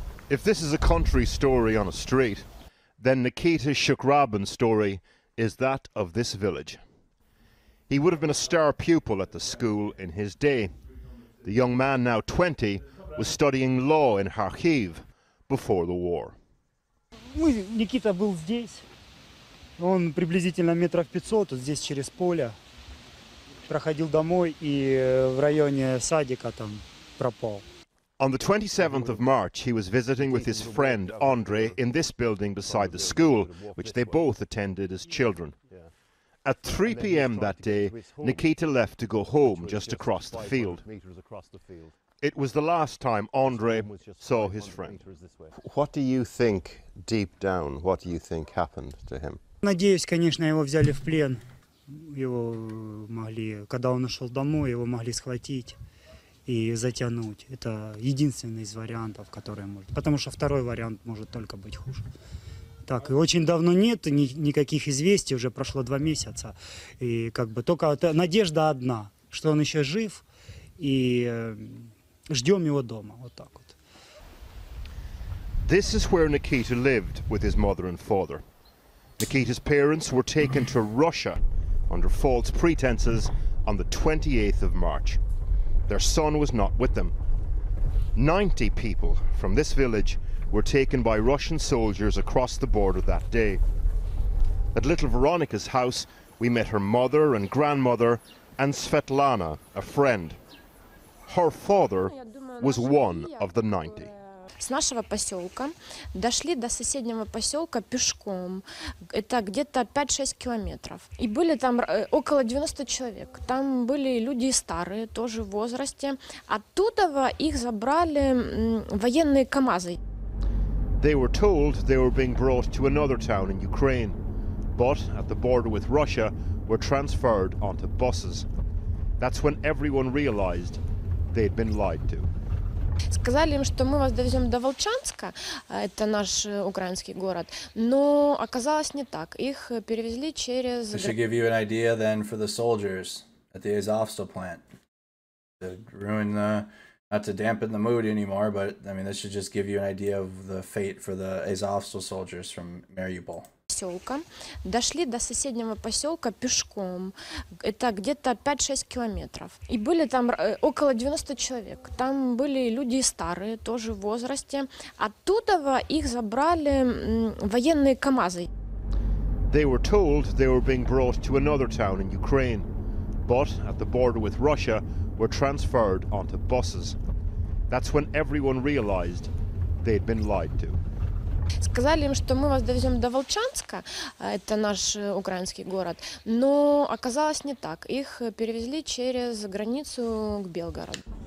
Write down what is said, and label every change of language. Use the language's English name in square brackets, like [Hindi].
[English] If this is a country story on a street, then Nikita Shukrabin's story is that of this village. He would have been a star pupil at the school in his day. The young man, now 20, was studying law in Kharkiv before the war. Nikita was here. [Russian] Он приблизительно метров 500 здесь через поле проходил домой и в районе садика там пропал. [English] On the 27th of March, he was visiting with his friend Andre in this building beside the school, which they both attended as children. At 3 p.m. that day, Nikita left to go home just across the field. It was the last time Andre saw his friend. What do you think deep down, what do you think happened to him? [Russian] Надеюсь, конечно, его взяли в плен. Его могли, когда он ушел домой, его могли схватить и затянуть. Это единственный из вариантов, который может. Потому что второй вариант может только быть хуже. Так, и очень давно нет никаких известий, уже прошло два месяца. И как бы только надежда одна, что он еще жив, и ждем его дома. Вот так вот. [English] This is where Nikita lived with his mother and father. Nikita's parents were taken to Russia under false pretenses on the 28th of March. Their son was not with them. 90 people from this village were taken by Russian soldiers across the border that day. At little Veronica's house, we met her mother and grandmother and Svetlana, a friend. Her father was one of the 90. [Russian] С нашего поселка дошли до соседнего поселка пешком. Это где-то 5-6 километров. И были там около 90 человек. Там были люди старые, тоже в возрасте. Оттуда их забрали военные КАМАЗы. [English] They were told they were being brought to another town in Ukraine, but at the border with Russia were transferred onto buses. That's when everyone realized they'd been lied to. [Russian] Сказали им, что мы вас довезем до Волчанска, это наш украинский город, но оказалось не так. Их перевезли через... [English] This should give you an idea then for the soldiers at the Azovstal plant. To ruin the... Not to dampen the mood anymore, but I mean, this should just give you an idea of the fate for the Azovstal soldiers from Mariupol. [Russian] Поселка. Дошли до соседнего поселка пешком. Это где-то 5-6 километров. И были там около 90 человек. Там были люди старые, тоже в возрасте. Оттуда их забрали военные КАМАЗы. [English] They were told they were being brought to another town in Ukraine, but at the border with Russia were transferred onto buses. That's when everyone realized they'd been lied to. [Russian] Сказали им, что мы вас довезем до Волчанска, это наш украинский город, но оказалось не так. Их перевезли через границу к Белгороду.